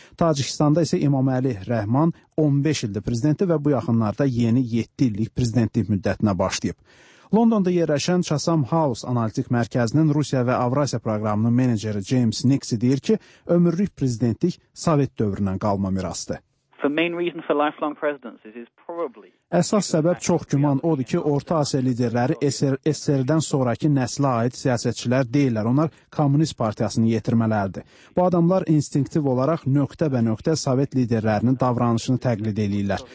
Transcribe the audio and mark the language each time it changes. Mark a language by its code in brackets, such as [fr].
[az] Tacikistanda isə İmaməli Rəhman 15 ildir prezidenti və bu yaxınlarda yeni 7 illik prezidentlik müddətinə başlayıb. Londonda yerləşən Chatham House Analitik Mərkəzinin Rusiya və Avrasiya proqramının meneceri James Nixie deyir ki, ömürlük prezidentlik Sovet dövründən qalma mirasdır. [en] The main reason for lifelong presidencies is probably. [az] Əsas səbəb çox güman odur ki, Orta Asiya liderləri SSR-dən sonrakı nəslə aid siyasətçilər deyillər. Onlar Komünist Partiyasını yetirmələrdir. Bu adamlar instinktiv olaraq nöqtə bə nöqtə Sovet liderlərinin davranışını təqlid edirlər.